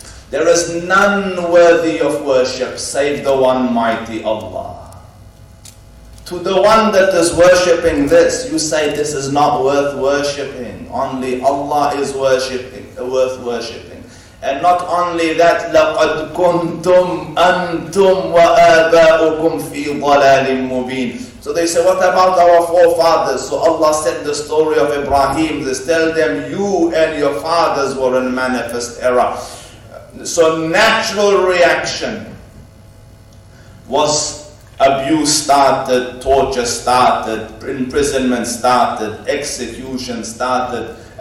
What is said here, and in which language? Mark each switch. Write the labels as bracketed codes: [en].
[en] There is none worthy of worship save the one mighty Allah. To the one that is worshipping this, you say this is not worth worshipping. Only Allah is worth worshipping. And not only that, [ar] لَقَدْ كُنْتُمْ أَنْتُمْ وَآبَاؤُكُمْ فِي ضَلَالٍ مُبِينٍ. [en] So they say, what about our forefathers? So Allah said the story of Ibrahim. This tell them, you and your fathers were in manifest error. So natural reaction was abuse started, torture started, imprisonment started, execution started.